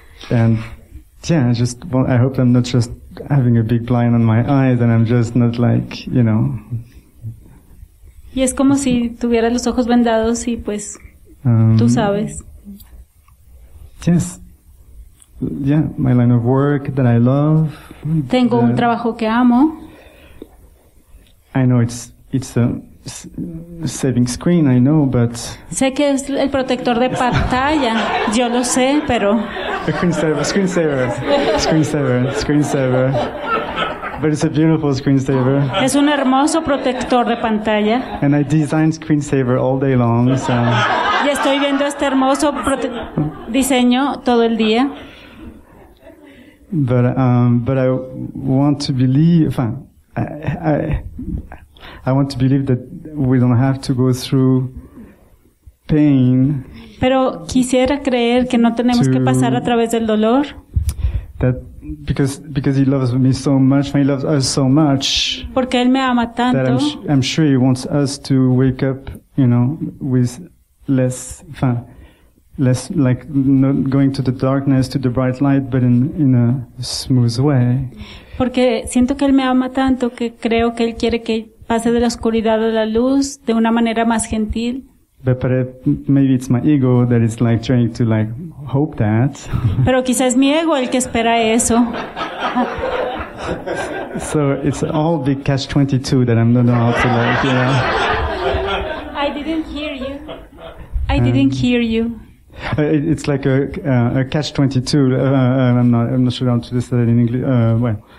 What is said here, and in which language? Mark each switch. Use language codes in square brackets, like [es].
[en] I hope I'm not just having a big blind on my eyes and I'm just not like, you know. [es] Y es como si tuviera los ojos vendados y pues, tú sabes. [en] Yes. Yeah, my line of work that I love. [es] Tengo un trabajo que amo. [en] I know it's a saving screen, I know, but... [es] Sé que es el protector de pantalla, yo lo sé, pero... [en] A screensaver. But it's a beautiful screensaver. [es] Es un hermoso protector de pantalla. [en] And I design screensaver all day long, so. [es] Y estoy viendo este hermoso diseño todo el día. [en] But I want to believe, I want to believe that we don't have to go through pain. [es] Pero quisiera creer que no tenemos que pasar a través del dolor. [en] That because he loves me so much, he loves us so much. [es] Porque él me ama tanto. [en] That I'm sure he wants us to wake up, you know, with less fun. Less like not going to the darkness to the bright light, but in a smooth way. [es] Porque siento que él me ama tanto que creo que él quiere que pase de la oscuridad a la luz de una manera más gentil. [en] But maybe it's my ego that is like trying to like hope that. [es] Pero quizás es mi ego el que espera eso. [en] So it's all the catch 22 that I'm not know how to like, you know. I didn't hear you. It's like a catch 22. I'm not sure how to say that in English.